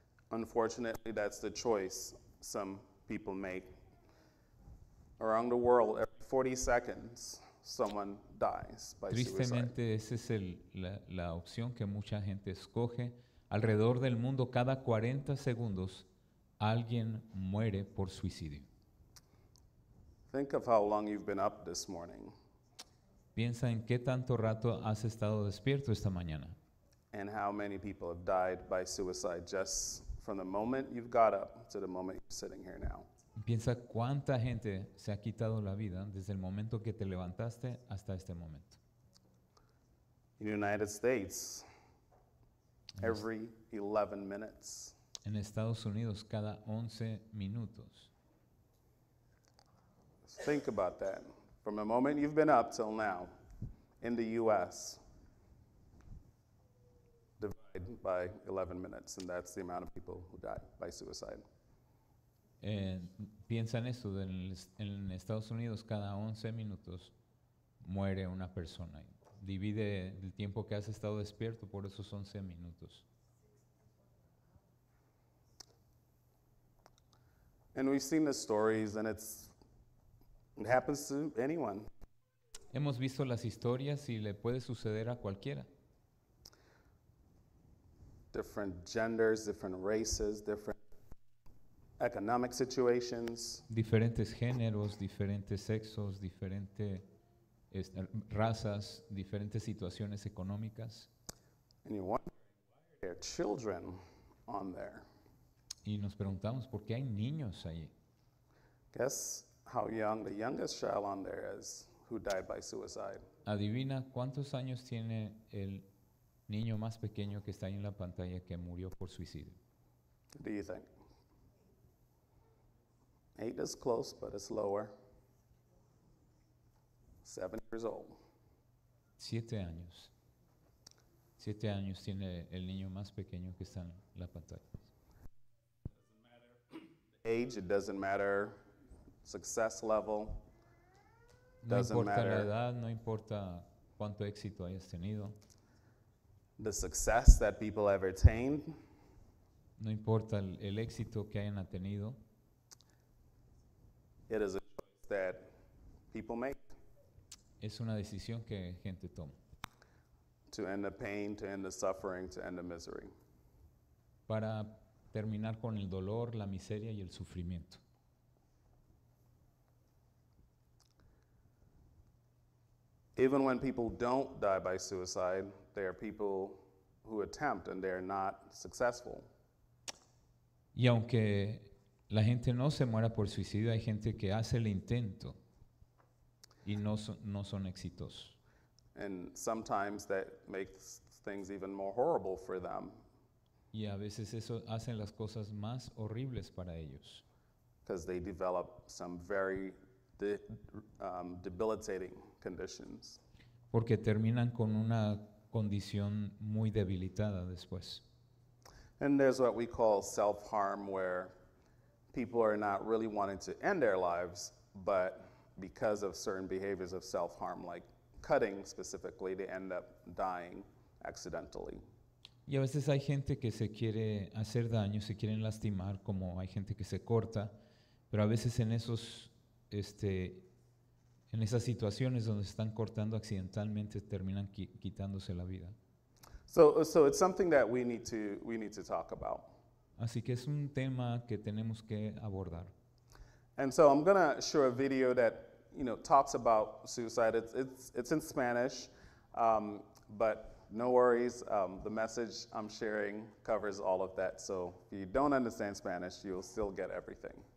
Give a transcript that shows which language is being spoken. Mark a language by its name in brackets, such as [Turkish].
[English] Unfortunately, that's the choice some people make. Around the world, every 40 seconds, someone dies by [Spanish] Tristemente, [English] suicide. [Spanish] Esa es la opción que mucha gente escoge. Alrededor del mundo, cada 40 segundos, alguien muere por suicidio. [English] Think of how long you've been up this morning. [Spanish] Piensa en qué tanto rato has estado despierto esta mañana. [English] And how many people have died by suicide just from the moment you've got up to the moment you're sitting here now. [Spanish] Piensa cuánta gente se ha quitado la vida desde el momento que te levantaste hasta este momento. [English] In the United States, every 11 minutes. [Spanish] En Estados Unidos, cada 11 minutos. [English] Think about that. From the moment you've been up till now, in the U.S., divided by 11 minutes, and that's the amount of people who died by suicide. [Spanish] Piensa en esto, en Estados Unidos cada 11 minutos muere una persona. Divide el tiempo que has estado despierto por esos 11 minutos. [English] And we've seen the stories, and it happens to anyone. [Spanish] Hemos visto las historias y le puede suceder a cualquiera. [English] Different genders, different races, different economic situations. [Spanish] Diferentes géneros, diferentes sexos, diferentes razas, diferentes situaciones económicas. [English] And you wonder why there are children on there. [Spanish] Y nos preguntamos por qué hay niños allí. [English] Guess how young the youngest child on there is who died by suicide. [Spanish] Adivina cuántos años tiene el niño más pequeño que está ahí en la pantalla que murió por suicidio. [English] What do you think? 8 is close, but it's lower. 7 years old. [Spanish] 7 años. 7 años tiene el niño más pequeño que está en la pantalla. [English] Age, it doesn't matter. Success level, [Spanish] no [English] doesn't [Spanish] importa [English] matter. [Spanish] La edad, no importa cuánto éxito hayas tenido. [English] The success that people have attained, [Spanish] no importa el éxito que hayan tenido. [English] It is a choice that people make. [Spanish] Es una decisión que gente toma. [English] To end the pain, to end the suffering, to end the misery. [Spanish] Para terminar con el dolor, la miseria y el sufrimiento. [English] Even when people don't die by suicide, there are people who attempt and they are not successful. [Spanish] Y aunque la gente no se muera por suicidio, hay gente que hace el intento y no son exitosos. [English] And sometimes that makes things even more horrible for them. [Spanish] Y a veces eso hacen las cosas más horribles para ellos. [English] Because they develop some very debilitating conditions. [Spanish] Porque terminan con una condición muy debilitada después. [English] And there's what we call self-harm, where people are not really wanting to end their lives, but because of certain behaviors of self-harm, like cutting specifically, they end up dying accidentally. [Spanish] Y a veces hay gente que se quiere hacer daño, se quieren lastimar, como hay gente que se corta, pero a veces en esos en esas situaciones donde están cortando accidentalmente terminan quitándose la vida. [English] So it's something that we need to talk about. [Spanish] Así que es un tema que tenemos que abordar. [English] And so I'm going to show a video that, you know, talks about suicide. It's in Spanish, but no worries, the message I'm sharing covers all of that, so if you don't understand Spanish, you'll still get everything.